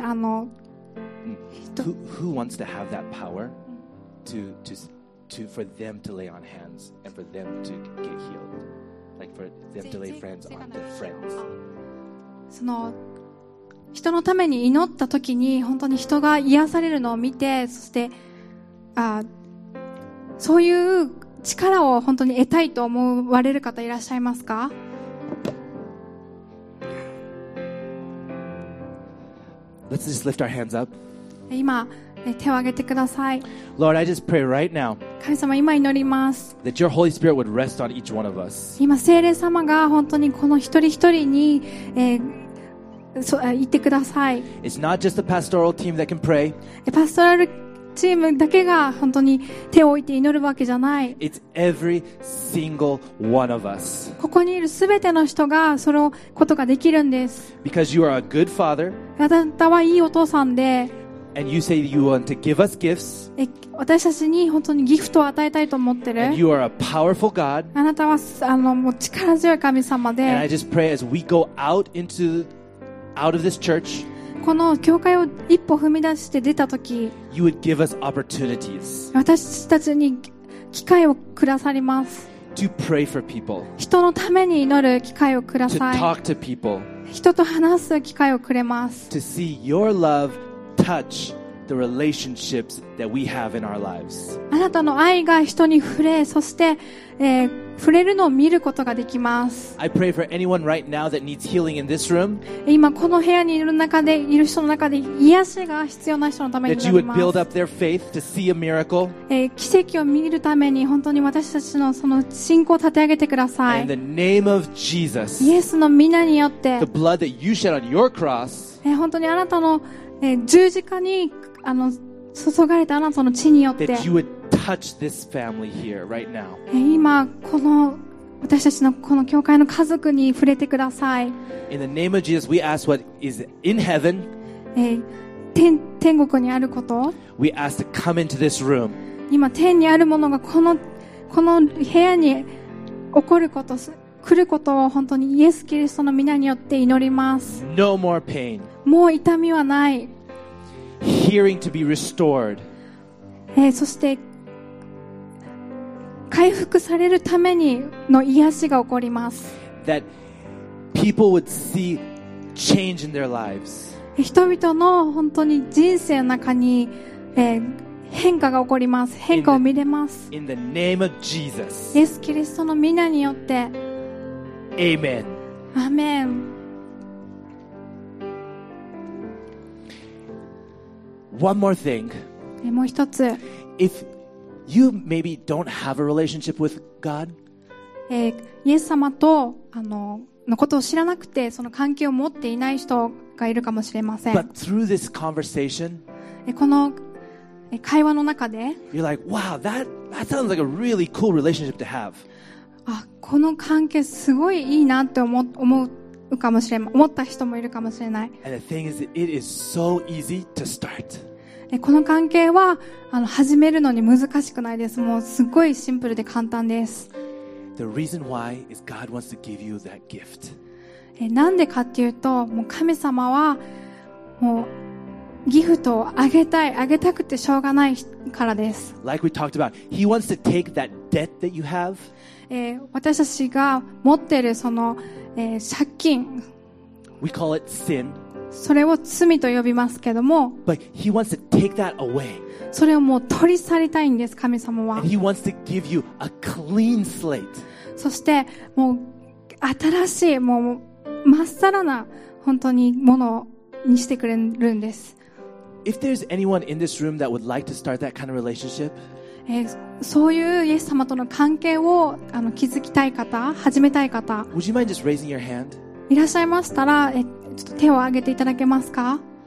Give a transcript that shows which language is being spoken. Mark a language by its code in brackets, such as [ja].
[en] Who wants to have that power to for them to lay on hands and for them to get healed, like for them to lay hands on their friends? [ja] その人のために祈った時に本当に人が癒されるのを見て、そしてそういう力を本当に得たいと思われる方いらっしゃいますか？ [en] Let's just lift our hands up. [ja] 今手を挙げてください。 [en] Lord, I just pray right now. [ja] 神様、今祈ります。 [en] That your Holy Spirit would rest on each one of us. [ja] 今聖霊様が本当にこの一人一人に、言ってください。 [en] It's not just the pastoral team that can pray. [ja] パストラルチームだけが本当に手を置いて祈るわけじゃない。 [en] It's every single one of us. [ja] ここにいるすべての人がそのことができるんです。 [en] Because you are a good father. [ja] あなたはいいお父さんで。 [en] And you say you want to give us gifts. [ja] 私たちに本当にギフトを与えたいと思ってる。 [en] And you are a powerful God. [ja] あなたはもう力強い神様で。 [en] And I just pray as we go out of this church. [ja] この教会を一歩踏み出して出たとき、 [en] You would give us opportunities. [ja] 私たちに機会をくださります。 [en] To pray for people. [ja] 人のために祈る機会をください。 [en] To talk to people. [ja] 人と話す機会をくれます。 [en] To see your love touch the relationships that we have in our lives. [ja] あなたの愛が人に触れ、そして、触れるのを見ることができます。 [en] I pray for anyone right now that needs healing in this room. [ja] 今この部屋にいる中で、いる人の中で癒しが必要な人のためになります。 [en] That you would build up their faith to see a miracle. [ja] 奇跡を見るために本当に私たちのその信仰を立て上げてください。 [en] In the name of Jesus. [ja] イエスの御名によって。 [en] The blood that you shed on your cross. [ja] 本当にあなたの、十字架にあの注がれたあなたの血によって。 [en] That you would touch this family here right now. [ja] 今この私たちのこの教会の家族に触れてください。 [en] In the name of Jesus, we ask what is in heaven. [ja] 天国にあること。 [en] We ask to come into this room. [ja] 今天にあるものがこの部屋に起こること来ることを本当にイエス・キリストの名によって祈ります。 [en] No more pain. [ja] もう痛みはない。 [en] Hearing to be restored. [ja] そして回復されるためにの癒しが起こります。 [en] That people would see change in their lives. [ja] 人々の本当に人生の中に、変化が起こります。変化を見れます。 [en] In the name of Jesus. [ja] イエス・キリストの名によって。 [en] Amen. Amen. One more thing. [ja] もう一つ。 [en] If you maybe don't have a relationship with God, [ja] イエス様とのことを知らなくてその関係を持っていない人がいるかもしれません。 [en] But through this conversation, [ja] この会話の中で、 [en] you're like, wow, that sounds like a really cool relationship to have. [ja] あ、この関係すごいいいなって思う。かもしれ思った人もいるかもしれない。 [en] And the thing is, it is so easy to start. [ja] この関係は始めるのに難しくないです。もうすごいシンプルで簡単です。 [en] The reason why is God wants to give you that gift. [ja] なんでかっていうと、もう神様はもうギフトをあげたくてしょうがないからです。 [en] Like we talked about, He wants to take that debt that you have. [ja] 私たちが持っているその、借金 [en] We call it sin. [ja] それを罪と呼びますけども [en] But he wants to take that away. [ja] それをもう取り去りたいんです神様は [en] And he wants to give you a clean slate. [ja] そしてもう新しいもう真っさらな本当にものにしてくれるんです [en] If there's anyone in this room that would like to start that kind of relationship, [ja] そういうイエス様との関係を築きたい方、始めたい方、 [en] Would you mind just raising your hand? [ja] いらっしゃいましたら、ちょっと手を挙げていただけますか?